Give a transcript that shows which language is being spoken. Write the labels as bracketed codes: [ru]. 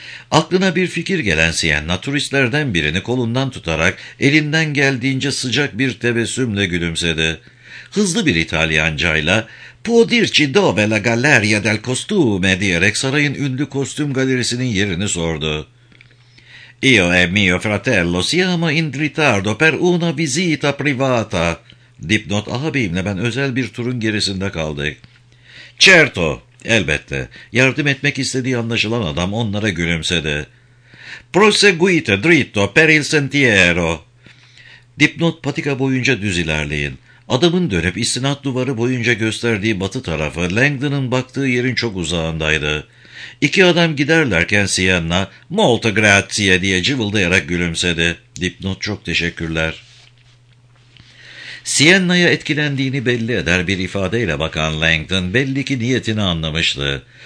[tr] Aklına bir fikir gelen Sienna turistlerden birini kolundan tutarak elinden geldiğince sıcak bir tebessümle gülümsedi. Hızlı bir İtalyancayla [it] "Podirci dove la galleria del costume" [tr] diyerek sarayın ünlü kostüm galerisinin yerini sordu. [it] "Io e mio fratello siamo in ritardo per una visita privata." [tr] Dipnot ağabeyimle ben özel bir turun gerisinde kaldık. [it] Certo, [tr] elbette. Yardım etmek istediği anlaşılan adam onlara gülümsedi. [it] Proseguite dritto per il sentiero. [tr] Dipnot patika boyunca düz ilerleyin. Adamın dönüp istinat duvarı boyunca gösterdiği batı tarafı Langdon'un baktığı yerin çok uzağındaydı. İki adam giderlerken Sienna, [it] molto grazie [tr] diye cıvıldayarak gülümsedi. Dipnot çok teşekkürler. Sienna'ya etkilendiğini belli eder bir ifadeyle bakan Langdon belli ki niyetini anlamıştı.